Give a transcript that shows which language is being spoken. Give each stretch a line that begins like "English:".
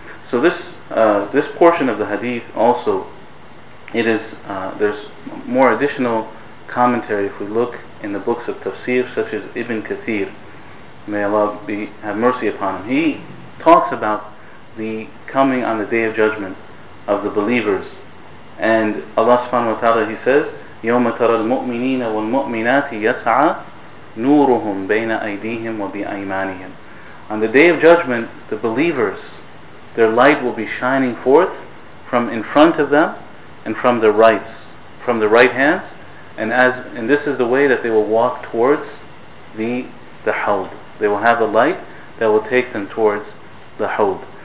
English: So this this portion of the hadith also, it is there's more additional commentary if we look in the books of tafsir, such as Ibn Kathir, may Allah be have mercy upon him. He talks about the coming on the Day of Judgment of the believers. And Allah subhanahu wa ta'ala, he says,
Arabic: يَوْمَ تَرَى الْمُؤْمِنِينَ وَالْمُؤْمِنَاتِ يَسْعَى نُورُهُمْ بَيْنَ أَيْدِيهِمْ وَبِأَيْمَانِهِمْ.
English: On the Day of Judgment, the believers, their light will be shining forth from in front of them and from their rights, from the right hand. And as and this is the way that they will walk towards the Hawd. They will have a light that will take them towards the Hawd.